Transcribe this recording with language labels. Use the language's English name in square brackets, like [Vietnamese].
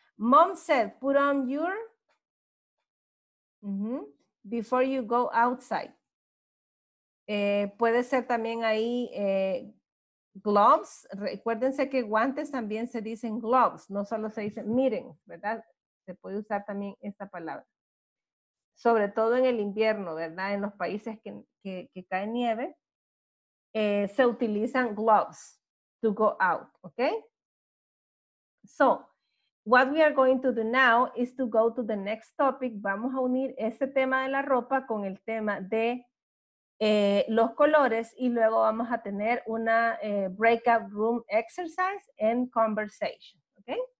[English] Mom said, put on your, before you go outside. [Spanish] Puede ser también ahí, gloves, recuérdense que guantes también se dicen gloves, no solo se dice miren, ¿verdad? Se puede usar también esta palabra. Sobre todo en el invierno, ¿verdad? En los países que cae nieve, se utilizan gloves to go out, ¿ok? So, [English] what we are going to do now is to go to the next topic. [Spanish] Vamos a unir este tema de la ropa con el tema de los colores y luego vamos a tener una [English] breakout room exercise and conversation, okay?